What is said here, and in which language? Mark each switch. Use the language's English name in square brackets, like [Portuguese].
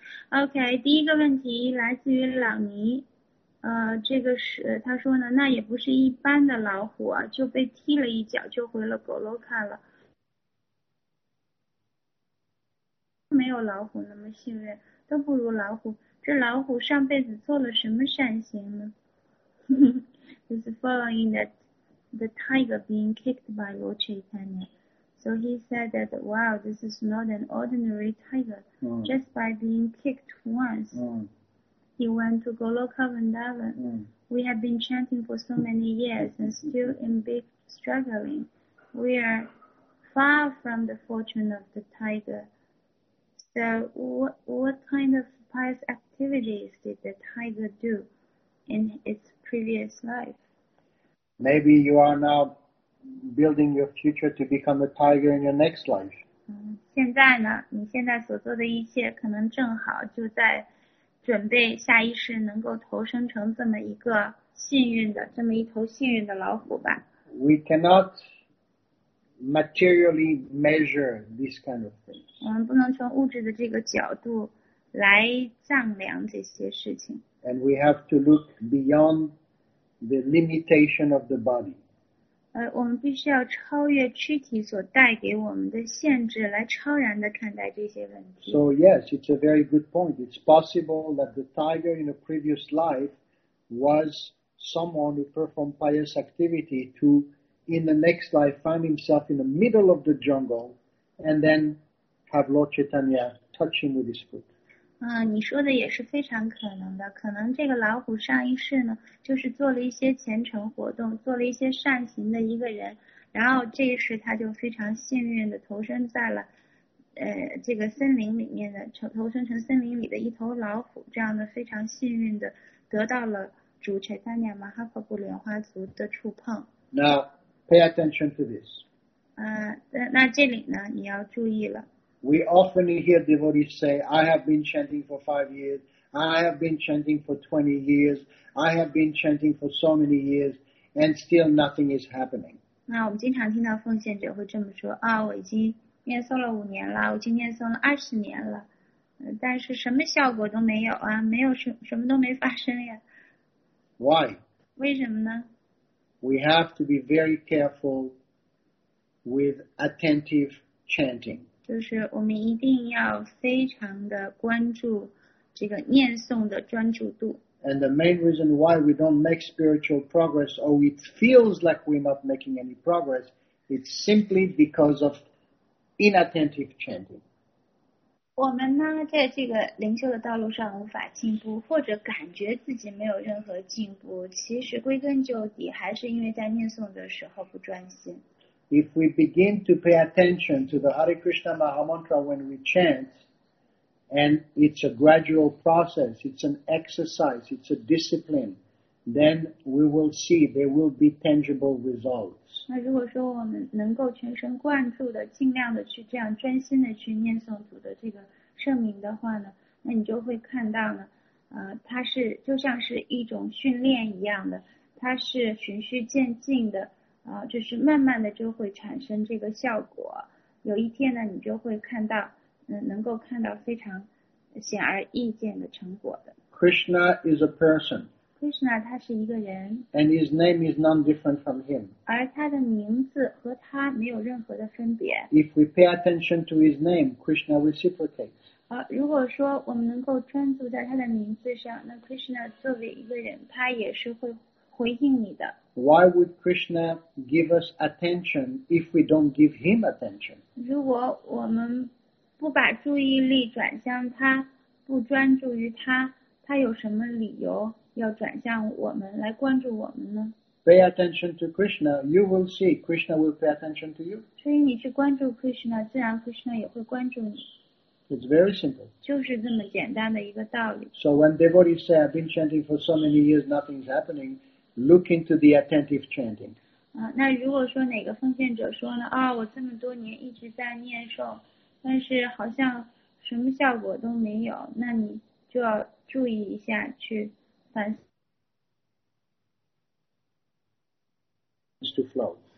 [Chinese] OK, 第一个问题来自于朗尼，这个是他说呢，那也不是一般的老虎啊，就被踢了一脚就回了Goloka了，没有老虎那么幸运，都不如老虎，这老虎上辈子做了什么善行呢？ [English] He's following that the tiger being kicked by Lord Chaitanya. So he said that, wow, this is not an ordinary tiger. Mm. Just by being kicked once, he went to Goloka Vrindavan. Mm. We have been chanting for so many years and still in big struggling. We are far from the fortune of the tiger. So what kind of pious activities did the tiger do in its previous life? Maybe you are now...building your future to become a tiger in your next life. [Chinese] 现在呢，你现在所做的一切可能正好就在准备下一世能够投生成这么一个幸运的这么一头幸运的老虎吧。 [English] We cannot materially measure this kind of thing. [Chinese] 我们不能从物质的这个角度来丈量这些事情。 [English] And we have to look beyond the limitation of the body. [Chinese] 我们必须要超越躯体所带给我们的限制，来超然地看待这些问题。 [English] So yes, it's a very good point. It's possible that the tiger in a previous life was someone who performed pious activity to, in the next life, find himself in the middle of the jungle and then have Lord Chaitanya touch him with his foot. [Chinese] 你说的也是非常可能的。可能这个老虎上一世呢，就是做了一些虔诚活动，做了一些善行的一个人，然后这一世他就非常幸运的投身在了这个森林里面的，投身成森林里的一头老虎，这样的非常幸运的得到了主 Chaitanya Mahaprabhu 莲花足的触碰。 [English] Now, pay attention to this. [Chinese] 那这里呢，你要注意了。 [English] We often hear devotees say, I have been chanting for 5 years, I have been chanting for 20 years, I have been chanting for so many years, and still nothing is happening. [Chinese] 那我们经常听到奉献者会这么说，我已经念诵了5年了，我已经念诵了20年了，但是什么效果都没有啊，没有什么都没发生呀。 [English] Why? [Chinese] 为什么呢？ [English] We have to be very careful with attentive chanting. [Chinese] 就是我们一定要非常的关注这个念诵的专注度。 [English] And the main reason why we don't make spiritual progress, or it feels like we're not making any progress, it's simply because of inattentive chanting. [Chinese] 我们呢，在这个灵修的道路上无法进步，或者感觉自己没有任何进步，其实归根究底还是因为在念诵的时候不专心。 [English] If we begin to pay attention to the Hare Krishna Mahamantra when we chant, and it's a gradual process, it's an exercise, it's a discipline, then we will see there will be tangible results. [Chinese] 那如果说我们能够全神贯注的，尽量的去这样专心的去念诵主的这个圣名的话呢，那你就会看到呢，它是就像是一种训练一样的，它是循序渐进的。就是慢慢的就会产生这个效果，有一天呢，你就会看到，能够看到非常显而易见的成果的。 [English] Krishna is a person. [Chinese] Krishna 他是一个人。 [English] And his name is none different from him. [Chinese] 而他的名字和他没有任何的分别。 [English] If we pay attention to his name, Krishna reciprocates. [Chinese] 如果说我们能够专注在他的名字上，那 Krishna 作为一个人，他也是会回应你的。 [English] Why would Krishna give us attention if we don't give him attention? [Chinese] 如果我们不把注意力转向他，不专注于他，他有什么理由要转向我们，来关注我们呢？ [English] Pay attention to Krishna, you will see Krishna will pay attention to you. [Chinese] 所以你去关注 Krishna, 自然 Krishna 也会关注你。 [English] It's very simple. [Chinese] 就是这么简单的一个道理。 [English] So when devotees say, I've been chanting for so many years, nothing is happening,Look into the attentive chanting. [Chinese] 那如果说哪个奉献者说呢，我这么多年一直在念诵，但是好像什么效果都没有，那你就要注意一下，去反思。 [English] Is to flow.